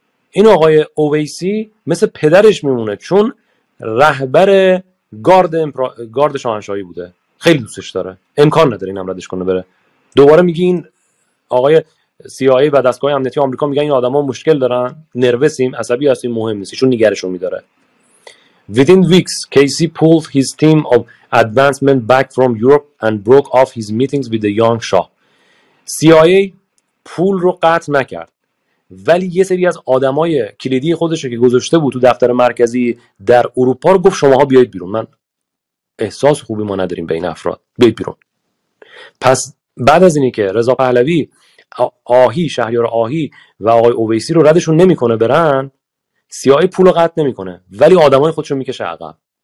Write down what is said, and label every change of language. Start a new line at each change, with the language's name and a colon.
Persian: این آقای اویسی مثل پدرش میمونه، چون رهبر گارد شاهنشاهی بوده، خیلی دوستش داره، امکان نداره اینم ردش کنه بره. دوباره میگه این آقای CIA و دستگاه امنیتی آمریکا میگن این آدما مشکل دارن، نروسیم، عصبی هستیم، مهم نیست، چون نگرشون میداره.
English: Within weeks Casey pulled his team of advancement back from Europe and broke off his meetings with the young Shah.
Persian: CIA پول رو قطع نکرد، ولی یه سری از آدمای کلیدی خودش که گذاشته بود تو دفتر مرکزی در اروپا رو گفت شماها بیایید بیرون، من احساس خوبی ما نداریم به این افراد، بیایید بیرون. پس بعد از اینی که رضا پهلوی آهی، شهریار آهی و آقای اویسی رو ردشون نمیکنه برن، CIA پول رو قطع نمیکنه، ولی آدمای خودشون میکشه عقب.